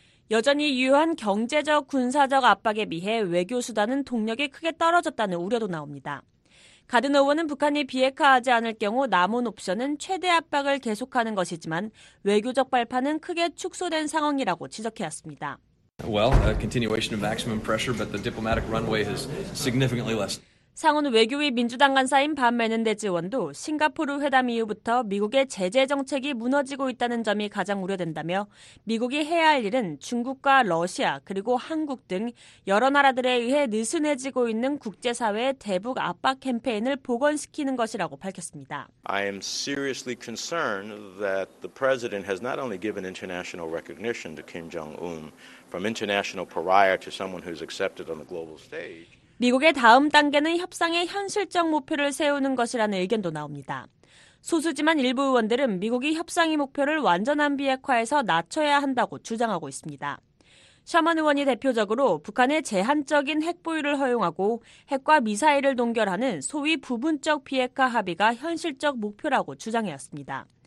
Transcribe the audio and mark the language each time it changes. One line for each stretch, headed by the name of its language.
Korean: 여전히 유효한 경제적, 군사적 압박에 비해 외교 수단은 동력이 크게 떨어졌다는 우려도 나옵니다. 가든 의원은 북한이 비핵화하지 않을 경우 남은 옵션은 최대 압박을 계속하는 것이지만 외교적 발판은 크게 축소된 상황이라고 지적해왔습니다.
English: Well, a continuation of maximum pressure, but the diplomatic runway is significantly less.
Korean: 상원 외교위 민주당 간사인 밤 메넨데즈 의원도 싱가포르 회담 이후부터 미국의 제재 정책이 무너지고 있다는 점이 가장 우려된다며 미국이 해야 할 일은 중국과 러시아 그리고 한국 등 여러 나라들에 의해 느슨해지고 있는 국제사회의 대북 압박 캠페인을 복원시키는 것이라고 밝혔습니다.
English: I am seriously concerned that the president has not only given international recognition to Kim Jong-un from international pariah to someone who's accepted on the global stage.
Korean: 미국의 다음 단계는 협상의 현실적 목표를 세우는 것이라는 의견도 나옵니다. 소수지만 일부 의원들은 미국이 협상의 목표를 완전한 비핵화에서 낮춰야 한다고 주장하고 있습니다. 셔먼 의원이 대표적으로 북한의 제한적인 핵 보유를 허용하고 핵과 미사일을 동결하는 소위 부분적 비핵화 합의가 현실적 목표라고 주장해왔습니다.